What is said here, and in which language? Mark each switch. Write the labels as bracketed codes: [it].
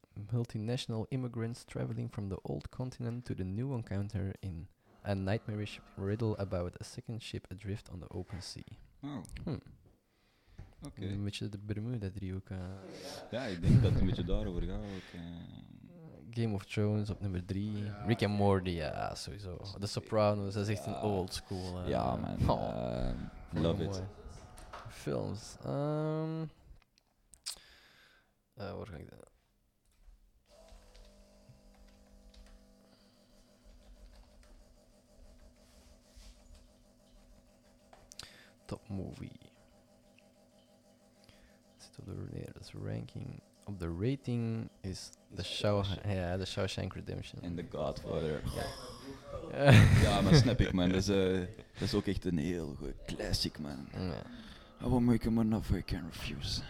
[en] Multinational immigrants traveling from the old continent to the new encounter in a nightmarish riddle about a second ship adrift on the open sea. [nl] Oh. Oké. Een beetje de Bermuda-driehoek. Ja, ik denk dat het een beetje daarover gaat. Game of Thrones op nummer 3. Ja, Rick and Morty, ja, sowieso. The Sopranos, dat is echt een old school. Ja, man. Oh. [en] Love it. [nl] Mooi. Films. Waar ga ik dan? [en] Top movie. [nl] Zit op de ranking. Op de rating is The Shawshank Redemption. En The Godfather. Ja, maar snap ik, man. Dat is ook echt een heel goed classic, man. [en] I will make him an offer I can refuse.